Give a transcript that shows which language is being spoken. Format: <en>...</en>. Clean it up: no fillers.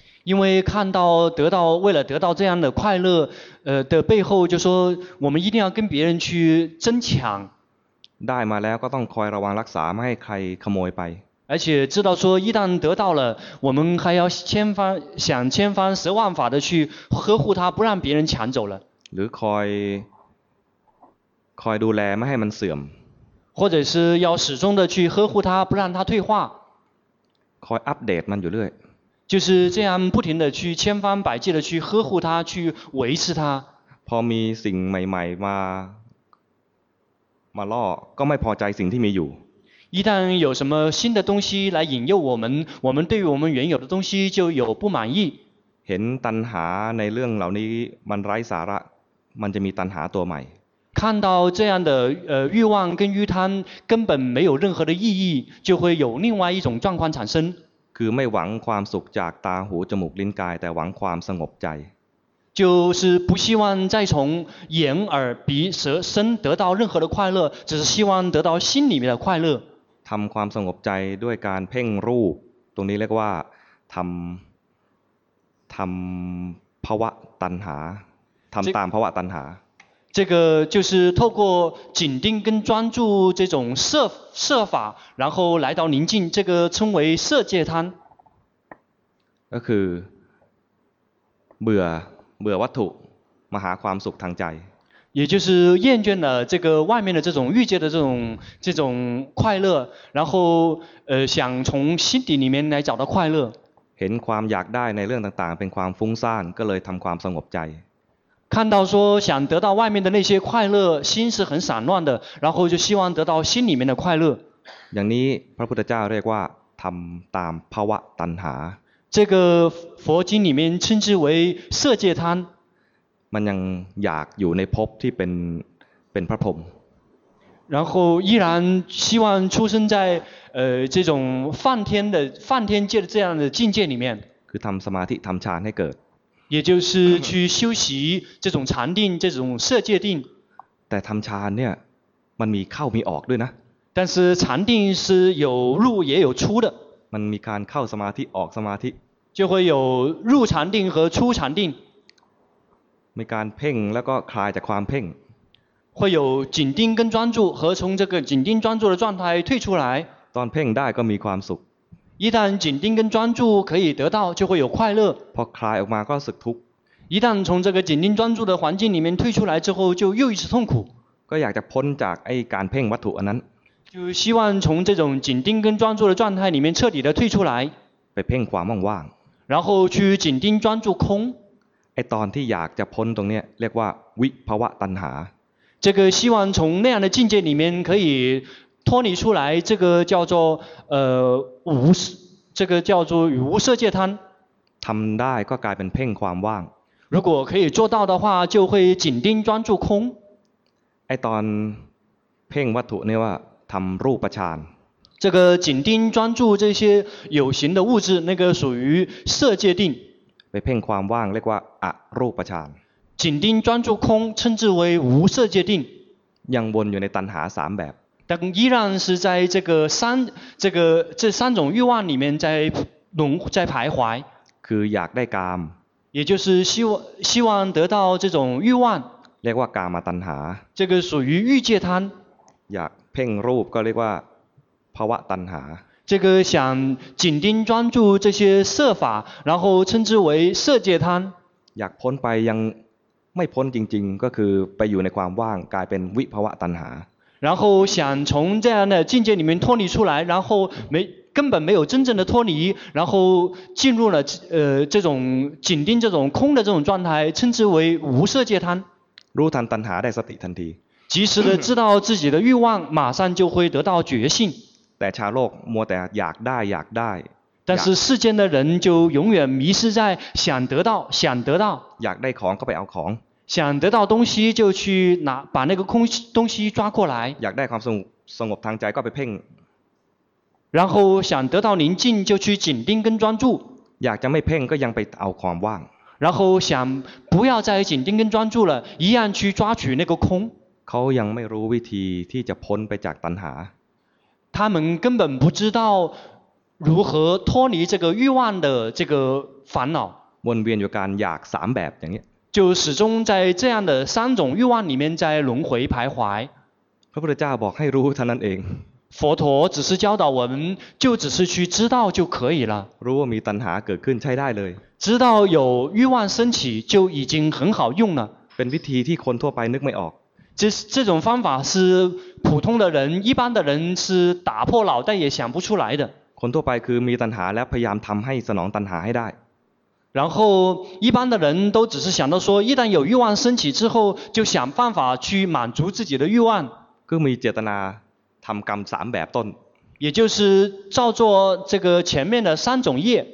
<zh>因为看到得到为了得到这样的快乐的背后就说我们一定要跟别人去争抢</zh> <th>ได้มาแล้วก็ต้องคอยระวังรักษาไม่ให้ใครขโมยไป</th> <zh>而且知道说一旦得到了我们还要千方想千方十万法的去呵护它不让别人抢走了</zh> <th>หรือคอยดูแลไม่ให้มันเสื่อม</th> <zh>或者是要始终的去呵护它不让它退化</zh> <th>คอยอัปเดตมันอยู่เรื่อย</th> <zh>就是这样不停的去千方百计的去呵护它去维持它</zh> <th>พอมีสิ่งใหม่ๆมาล่อก็ไม่พอใจสิ่งที่มีอยู่</th> <zh>一旦有什么新的东西来引诱我们我们对于我们原有的东西就有不满意</zh> <th>เห็นตัณหาในเรื่องเหล่านี้มันไร้สาระมันจะมีตัณหาตัวใหม่</th> <zh>看到这样的欲望跟欲贪根本没有任何的意义就会有另外一种状况产生</zh> <th>คือไม่หวังความสุขจากตาหูจมูกลิ้นกายแต่หวังความสงบใจ</th> <zh>就是不希望再从眼耳鼻舌身得到任何的快乐只是希望得到心里面的快乐</zh> <th>ทำความสงบใจด้วยการเพ่งรูปตรงนี้เรียกว่าทำภวะตัณหาทำตามภวะตัณหา</th> <zh>这个就是透过紧盯跟专注这种摄法然后来到宁静这个称为摄戒贪</zh> <th>ก็คือเบื่อวัตถุมาหาความสุขทางใจ</th> <zh>也就是厌倦了这个外面的这种欲界的这种快乐然后想从心底里面来找到快乐</zh> <th>เห็นความอยากได้ในเรื่องต่างๆเป็นความฟุ้งซ่านก็เลยทำความสงบใจ</th> <zh>看到说想得到外面的那些快乐心是很散乱的然后就希望得到心里面的快乐</zh> <th>อย่างนี้พระพุทธเจ้าเรียกว่าทำตามภวะตัณหา</th> <zh>这个佛经里面称之为色界贪</zh> <th>มันยังอยากอยู่ในภพที่เป็นพระพรหม</th> <zh>然后依然希望出生在这种梵天界的这样的境界里面</zh> <th>คือทำสมาธิทำฌานให้เกิด</th> <zh>也就是去修习这种禅定这种色界定</zh> <th>แต่ทำฌานเนี่ยมันมีเข้ามีออกด้วยนะ</th> <zh>但是禅定是有入也有出的</zh> <th>มันมีการเข้าสมาธิออกสมาธิ</th> <zh>就会有入禅定和出禅定</zh> <th>มีการเพ่งแล้วก็คลายจากความเพ่ง</th> <zh>会有紧盯跟专注和从这个紧盯专注的状态退出来</zh> <th>ตอนเพ่งได้ก็มีความสุข</th> <zh>一旦紧盯跟专注可以得到就会有快乐</zh> <th>พอคลายออกมาก็รู้สึกทุกข์</th> <zh>一旦从这个紧盯专注的环境里面退出来之后就又一次痛苦</zh> <th>ก็อยากจะพ้นจากไอ้การเพ่งวัตถุอันนั้น</th> <zh>就希望从这种紧盯跟专注的状态里面彻底的退出来</zh> <th>ไปเพ่งความว่าง</th> <zh>ๆ然后去紧盯专注空</zh> <th>ไอ้ตอนที่อยากจะพ้นตรงเนี้ยเรียกว่าวิภวะตัณหา</th> <zh>这个希望从那样的境界里面可以脱离出来这个叫做无这个叫做与无色界贪</zh> <th>ทำได้ก็กลายเป็นเพ่งความว่าง</th> <zh>如果可以做到的话就会紧盯专注空</zh> <th>ไอ้ตอนเพ่งวัตถุเนี่ยว่าทำรูปฌาน</th> <zh>这个紧盯专注这些有形的物质那个属于色界定</zh> <th>ไปเพ่งความว่างเรียกว่าอรูปฌาน</th> <zh>紧盯专注空称之为无色界定</zh> <th>ยังวนอยู่ในตัณหา3แบบ แต่</th> <zh>依然是在这个三这个这三种欲望里面在徘徊</zh> <th>คืออยากได้กาม</th> <zh>也就是希望得到这种欲望</zh> <th>เรียกว่ากามตัณหา</th> <zh>这个属于欲界贪</zh> <th>อยากเพ่งรูปก็เรียกว่าภวะตัณหา</th> <zh>这个想紧盯专注这些色法然后称之为色界贪</zh> <th>อยากพ้นไปยังไม่พ้นจริงๆก็คือไปอยู่ในความว่างกลายเป็นวิภวะตัณหา</th> <zh>然后想从这样的境界里面脱离出来然后根本没有真正的脱离然后进入了这种紧盯这种空的这种状态称之为无色界贪</zh> <th>รู้ทันตัณหาได้สติทันที</th> <zh>及时的知道自己的欲望马上就会得到觉性</zh> <th>แต่ชาวโลกมัวแต่อยากได้</th> <zh>但是世间的人就永远迷失在想得到</zh> <th>อยากได้ของก็ไปเอาของ</th> <zh>想得到东西就去拿把那个空东西抓过来</zh> <th>อยากได้ความสงบทางใจก็ไปเพ่ง</th> <zh>然后想得到宁静就去紧盯跟专注</zh> <th>อยากจะไม่เพ่งก็ยังไปเอาความว่าง</th> <zh>然后想不要再紧盯跟专注了一样去抓取那个空</zh> <th>เขายังไม่รู้วิธีที่จะพ้นไปจากตัณหา</th> <zh>他们根本不知道如何脱离这个欲望的这个烦恼？</zh> <th>วนเวียนอยู่การอยากสามแบบอย่างนี้</th> <zh>就始终在这样的三种欲望里面在轮回徘徊。</zh> <th>พระพุทธเจ้าบอกให้รู้เท่านั้นเอง。</th> <zh>佛陀只是教导我们，就只是去知道就可以了。如果</zh> <th>มีตัณหาเกิดขึ้นใช้ได้เลย。</th> <zh>知道有欲望升起就已经很好用了。</zh> <th>เป็นวิธีที่คนทั่วไปนึกไม่ออก。</th> <zh>这种方法是普通的人、一般的人是打破脑袋也想不出来的。</zh> <th>คนทั่วไปคือมีตัณหาและพยายามทำให้สนองตัณหาให้ได้。</th> <zh>然后一般的人都只是想到说，一旦有欲望升起之后，就想办法去满足自己的欲望。</zh> <th>ก็มีเจตนาทำกรรมสามแบบต้น。</th> <zh>也就是照做这个前面的三种业。</zh>